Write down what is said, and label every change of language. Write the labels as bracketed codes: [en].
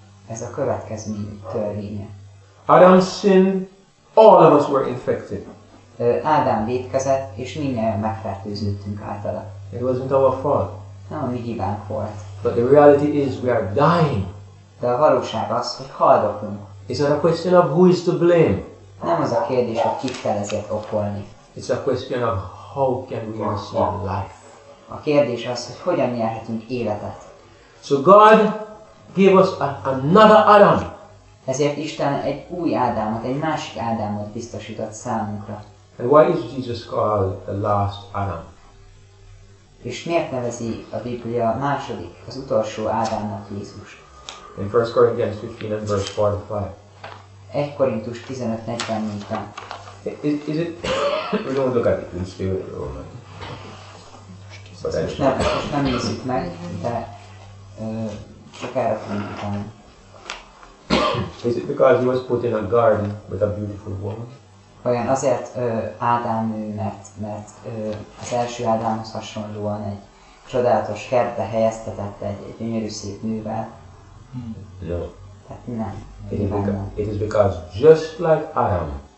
[hu] Ez a következmény törvénye. [en] Adam sinned, all of us were infected. [hu] Ádám vétkezett, és mindjárt megfertőződtünk általa. [en] It wasn't our fault. [hu] Nem a mi hibánk volt. [en] But the reality is, we are dying. [hu] De a valóság az, hogy haldoklunk. [en] It's not a question of who is to blame. [hu] Nem az a kérdés, hogy kit kell ezért okolni. [en] It's a question of how can we receive life. [hu] A kérdés az, hogy hogyan nyerhetünk életet. [en] So God gave us another Adam. [hu] Ezért Isten egy új Ádámot, egy másik Ádámot biztosított számunkra. [en] And why is Jesus called the last Adam? [hu] És miért nevezi a Biblia második, az utolsó Ádámnak Jézust? [en] In 1 Corinthians 15 and verse 45. [hu] 1 Korintus 15:44. [en] Is it? We don't look at it in spirit at the moment. [hu] Most nem nézzük meg, de csak erre fogunk utalni. [en] Is it because he was put in a garden with a beautiful woman? [hu] Olyan azért Ádám ő, mert az első Ádámhoz hasonlóan egy csodálatos kertbe helyeztetett egy gyönyörű szép nővel. [en] No. [hu] Tehát nem. [en] It is because just like Adam.